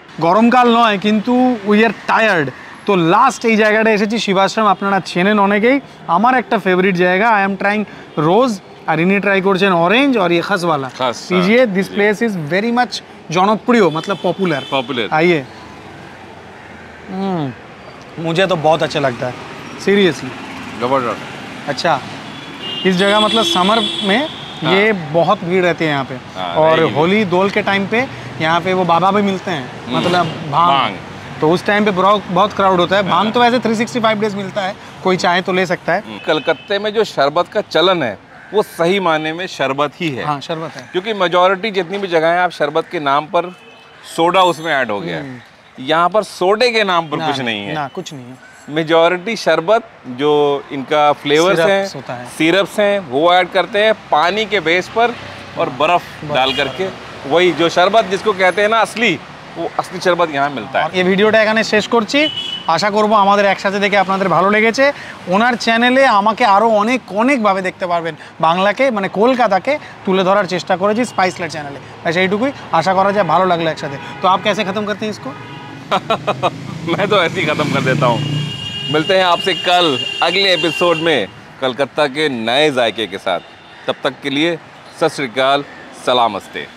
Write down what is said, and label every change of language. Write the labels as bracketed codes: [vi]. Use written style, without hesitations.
[bn] গরমকাল নয় কিন্তু [en] we are tired, [bn] তো লাস্ট এই জায়গাটা এসেছি শিবাশ্রম, আপনারা চেনেন অনেকেই, আমার একটা ফেভারিট জায়গা। [en] I am trying rose, [bn] আর ইনি ট্রাই করছেন orange, আর খাসওয়ালা PGA. [en] This place is very much জনপ্রিয়, মতলব popular, popular. [hi] আইয়ে, মুঝে তো বহুত আচ্ছা লাগতা হ্যায়, সিরিয়াসলি। अच्छा, इस जगह मतलब समर में ये बहुत भीड़ रहती है यहाँ पे, और होली दोल के टाइम पे यहाँ पे वो बाबा भी मिलते हैं, मतलब भांग, तो उस टाइम पे बहुत क्राउड होता है। भांग तो वैसे 365 डेज मिलता है, कोई चाहे तो ले सकता है। कलकत्ते में जो शरबत का चलन है वो सही मायने में शरबत ही है। हाँ, शरबत है, क्योंकि मेजोरिटी जितनी भी जगह है आप शरबत के नाम पर सोडा उसमें ऐड हो गया, यहाँ पर सोडे के नाम पर कुछ नहीं है, कुछ नहीं है, मेजॉरिटी शरबत जो इनका फ्लेवर है, सिरप्स हैं वो ऐड करते हैं पानी के बेस पर, और बर्फ डाल करके वही जो शरबत जिसको कहते हैं ना असली, वो असली शरबत यहाँ मिलता है। ये वीडियो [bn] এখানে শেষ করছি, আশা করব আমাদের একসাথে দেখে আপনাদের ভালো লেগেছে। ওনার চ্যানেলে আমাকে আরো অনেক অনেক ভাবে দেখতে পারবেন, বাংলাকে মানে কলকাতাকে তুলে ধরার চেষ্টা করেছি স্পাইসলার চ্যানেলে, আচ্ছা এইটুকুই, আশা করা যায় ভালো লাগলো একসাথে। [hi] তো আপ কেসে খতম করতে হিসকো? मैं तो ऐसे ही खत्म कर देता हूँ। मिलते हैं आपसे कल अगले एपिसोड में कलकत्ता के नए जायके के साथ, तब तक के लिए सत श्री अकाल, सलामस्ते।